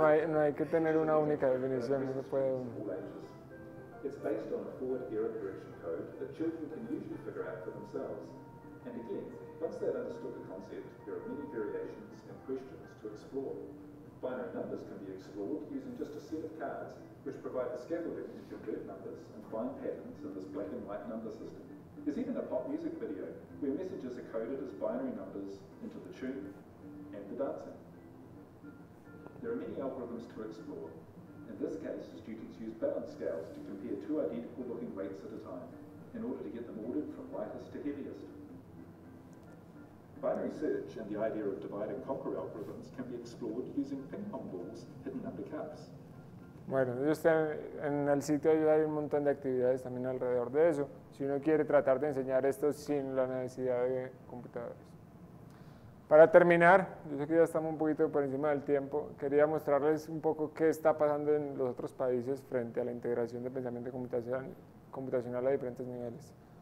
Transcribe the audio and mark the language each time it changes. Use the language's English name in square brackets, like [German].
[Spanish] No hay que tener una única definición, no se puede uno. [English] It's based on a forward error correction code that children can usually figure out for themselves. And again, once they've understood the concept, there are many variations and questions to explore. Binary numbers can be explored using just a set of cards, which provide the scaffolding to convert numbers and find patterns in this black and white number system. There's even a pop music video where messages are coded as binary numbers into the tune and the dancing. There are many algorithms to explore. In this case, students use balance scales to compare two identical looking weights at a time in order to get them ordered from lightest to heaviest. Binary search and the idea of divide and conquer algorithms can be explored using ping pong balls hidden under cups. [Spanish] Bueno, ellos tienen, en el sitio hay un montón de actividades también alrededor de eso, si uno quiere tratar de enseñar esto sin la necesidad de computadores. Para terminar, yo sé que ya estamos un poquito por encima del tiempo, quería mostrarles un poco qué está pasando en los otros países frente a la integración de pensamiento computacional a diferentes niveles.